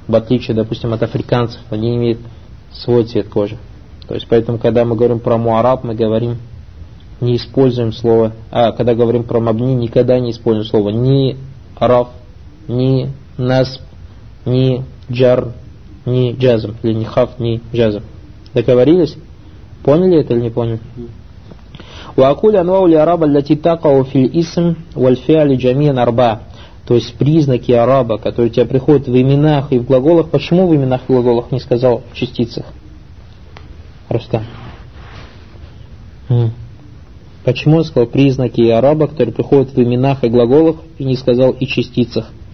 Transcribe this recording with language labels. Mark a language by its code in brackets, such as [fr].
[ru] В отличие, допустим, от африканцев, они имеют свой цвет кожи. То есть поэтому, когда мы говорим про муараб, мы говорим не используем слово, а когда говорим про мабни, никогда не используем слово ни раф, ни насб, ни джар, ни джазм, или ни хаф, ни джазм. Договорились? Поняли это или не поняли? [ar] وأقول أنواع الإعراب التي تقع في الاسم والفعل جميعا أربعة. [ru] То есть признаки араба, которые тебе приходят в именах и в глаголах. Почему в именах и глаголах не сказал в частицах? Рустам. Почему он сказал признаки араба, которые приходят в именах и глаголах, и не сказал и частицах?